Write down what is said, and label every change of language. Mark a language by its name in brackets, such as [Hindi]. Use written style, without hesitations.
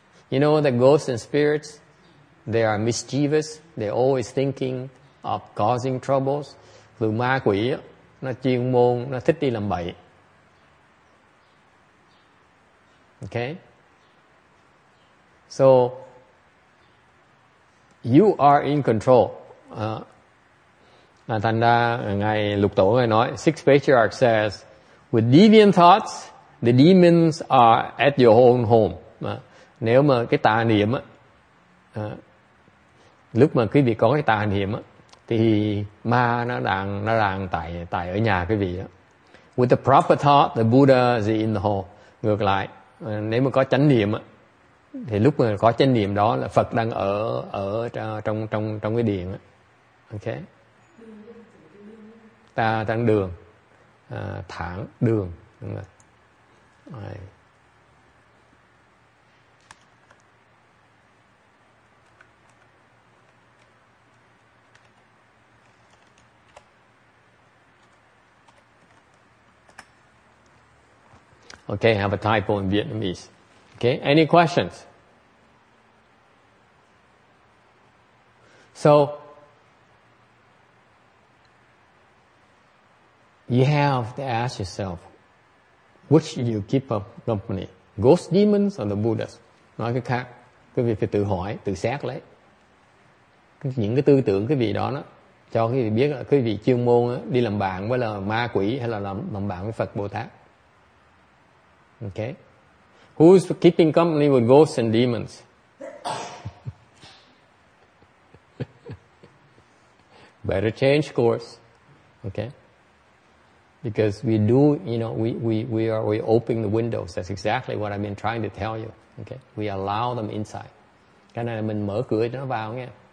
[English] You know that ghosts and spirits, they are mischievous. They're always thinking of causing troubles. [Vietnamese] Từ ma quỷ, nó chuyên môn, nó thích đi làm bậy. [English] Okay? So, you are in control. [Vietnamese] Thành ra, ngày Lục Tổ ngài nói, [English] Sixth Patriarch says, with deviant thoughts, the demons are at your own home. [Vietnamese] Nếu mà cái tà niệm á, lúc mà quý vị có cái tà niệm á, thì ma nó đang tại ở nhà quý vị á. [English] With the proper thought, the Buddha is in the home. [Vietnamese] Ngược lại, nếu mà có chánh niệm á, thì lúc mà có chánh niệm đó là Phật đang ở trong cái điện á. Okay. Ta đang đường, thẳng đường. Đúng rồi. [English] Okay, I have a typo in Vietnamese. Okay, any questions? So, you have to ask yourself, which you keep up company, ghost demons or the Buddhas? [Vietnamese] Nói cái khác, quý vị phải tự hỏi, tự xét lấy. Những cái tư tưởng quý vị đó, đó cho quý vị biết là quý vị chuyên môn đó, đi làm bạn với là ma quỷ hay là làm bạn với Phật Bồ Tát. [English] Okay. Who's keeping company with ghosts and demons? Better change course. Okay. Because we do, you know, we open the windows. That's exactly what I've been trying to tell you. Okay, we allow them inside. [Vietnamese] Cái này mình mở cửa cho nó vào nghe.